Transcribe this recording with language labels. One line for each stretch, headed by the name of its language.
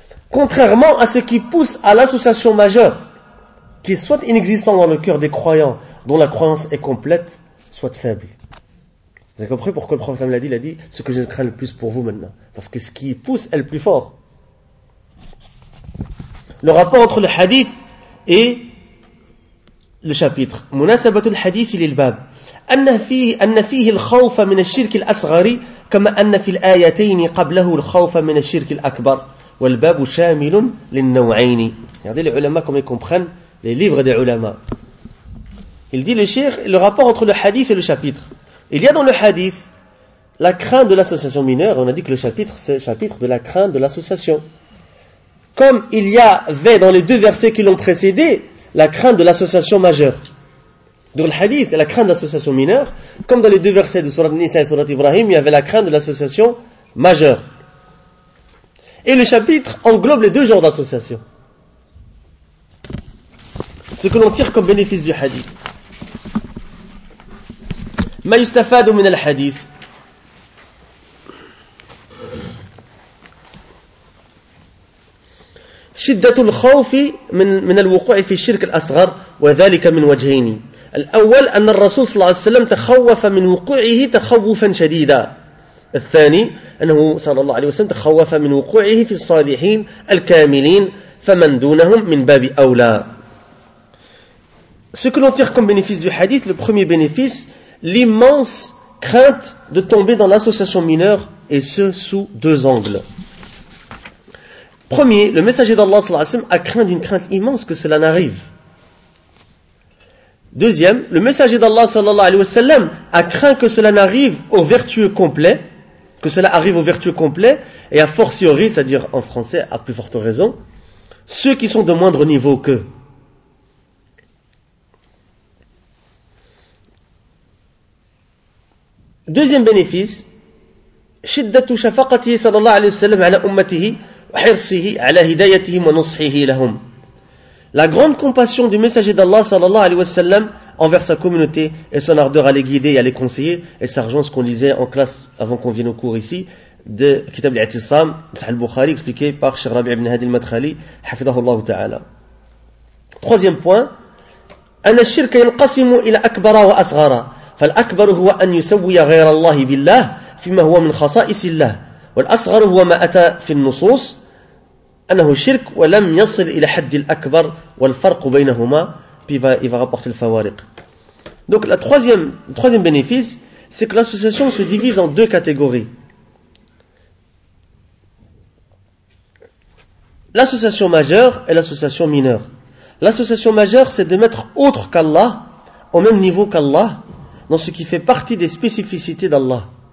French: Contrairement à ce qui pousse à l'association majeure, qui est soit inexistant dans le cœur des croyants, dont la croyance est complète, soit faible. Vous avez compris pourquoi le prophète me l'a dit? Il a dit, ce que je crains le plus pour vous maintenant. Parce que ce qui pousse est le plus fort. Le rapport entre le hadith et le chapitre.
Arabic: مناسبه الحديث للباب ان فيه الخوف من الشرك الاصغر كما ان في الايتين قبله الخوف من الشرك الاكبر والباب شامل للنوعين.
French: Regardez les ulama comme ils comprennent les livres des ulama. Il dit le cheikh, le rapport entre le hadith et le chapitre. Il y a dans le hadith la crainte de l'association mineure. On a dit que le chapitre, c'est le chapitre de la crainte de l'association. Comme il y avait dans les deux versets qui l'ont précédé, la crainte de l'association majeure. Dans le hadith, la crainte de l'association mineure, comme dans les deux versets de Sourate Nisa et Sourate Ibrahim, il y avait la crainte de l'association majeure. Et le chapitre englobe les deux genres d'association. Ce que l'on tire comme bénéfice du hadith.
Arabic: ما يستفاد من الحديث شدة الخوف من الوقوع في الشرك الأصغر وذلك من وجهين الأول أن الرسول صلى الله عليه وسلم تخوف من وقوعه تخوفا شديدا الثاني أنه صلى الله عليه وسلم تخوف من وقوعه في الصالحين الكاملين فمن دونهم من باب أولى.
French: Ce que l'on tire comme bénéfice du hadith, le premier bénéfice, l'immense crainte de tomber dans l'association mineure, et ce sous deux angles. Premier, le messager d'Allah sallallahu alayhi wa sallam a craint d'une crainte immense que cela n'arrive. Deuxième, le messager d'Allah sallallahu alayhi wa sallam a craint que cela n'arrive aux vertueux complets, que cela arrive aux vertueux complets, et a fortiori, c'est-à-dire en français, à plus forte raison, ceux qui sont de moindre niveau qu'eux. Deuxième bénéfice,
Arabic: شدت شفقته صلى الله عليه وسلم على أمته وحرصه على هدايتهم ونصحه لهم.
French: La grande compassion du messager d'Allah sallallahu alayhi wa sallam envers sa communauté et son ardeur à les guider et à les conseiller, et ça rejoint ce qu'on lisait en classe avant qu'on vienne au cours ici de Kitab al-I'tisam, Sahih al-Bukhari, expliqué par Cheikh Rabi' ibn Hadi al-Madkhali, hafidhahullah ta'ala. Troisième point,
Arabic: أن الشرك ينقسم إلى أكبر وأصغر. فالأكبر هو أن يسوي غير الله بالله فيما هو من خصائص الله والأصغر هو ما أتى في النصوص أنه شرك ولم يصل إلى حد الأكبر والفرق بينهما بيفا رابورت الفوارق.
French: Donc la troisième bénéfice, c'est que l'association se divise en deux catégories. L'association majeure et l'association mineure. L'association majeure, c'est de mettre autre qu'Allah au même niveau qu'Allah dans ce qui fait partie des spécificités d'Allah.